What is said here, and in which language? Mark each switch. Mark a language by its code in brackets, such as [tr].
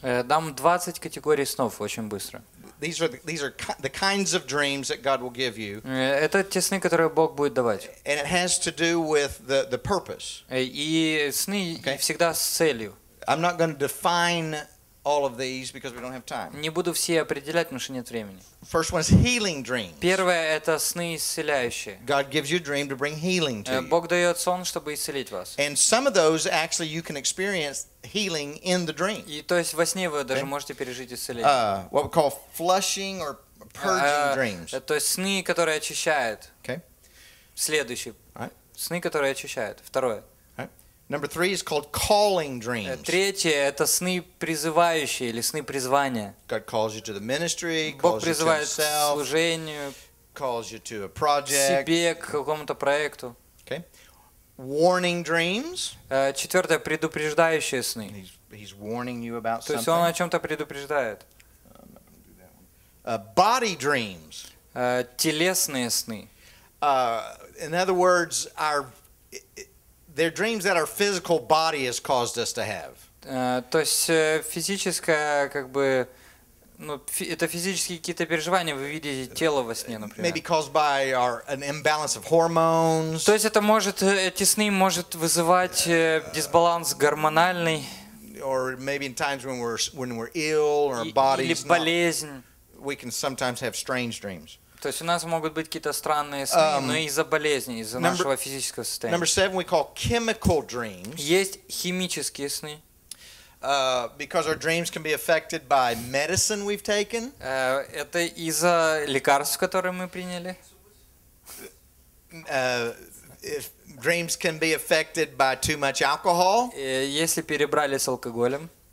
[ru] Дам 20 категорий снов очень быстро. [en] These are the kinds of dreams that God will give you. [ru] Это те сны, которые Бог будет давать. [en] And it has to do with the purpose. [ru] И сны всегда с целью. [en] I'm not going to define all of these because we don't have time. [ru] Не буду все определять, потому что нет времени. [en] First one is healing dreams. [ru] Первое это сны исцеляющие. [en] God gives you a дream to bring healing to you. [ru] Бог дает сон, чтобы исцелить вас. [en] And some of those actually you can experience healing in the dream. [ru] И то есть во сне вы даже можете пережить исцеление. [en] What we call flushing or purging dreams. [ru] То есть сны, которые очищают. [en] Okay. [ru] Следующий. Right. Сны, которые очищают. Второе. [en] Number three is called calling dreams. [ru] Третье – это сны призывающие или сны призвания. [en] God calls you to the ministry, [ru] Бог призывает к служению, [en] calls you to a project, [ru] себе к какому-то проекту. [en] Okay. Warning dreams. [ru] Четвертое – предупреждающие сны. [en] He's warning you about something. [ru] То есть он о чем-то предупреждает. [en] Body dreams. [ru] Телесные сны. [en] In other words, our they're dreams that our physical body has caused us to have. [ru] То есть физическое, как бы, Ну, это физические какие-то переживания, вы видите тело во сне, например. [en] Maybe caused by our, an imbalance of hormones. [ru] То есть это может, эти сны может вызывать дисбаланс гормональный. [en] Or maybe in times when we're ill or our body's [ru] или болезнь. [en] Not, we can sometimes have strange dreams. [ru] То есть у нас могут быть какие-то странные сны, но из-за болезни, из-за нашего физического состояния. [en] Number seven we call chemical dreams. [ru] Есть химические сны. [en] Because our dreams can be affected by medicine we've taken. [ru] Это из-за лекарств, которые мы приняли. [en] If dreams can be affected by too much alcohol. [ru] Если перебрали с алкоголем.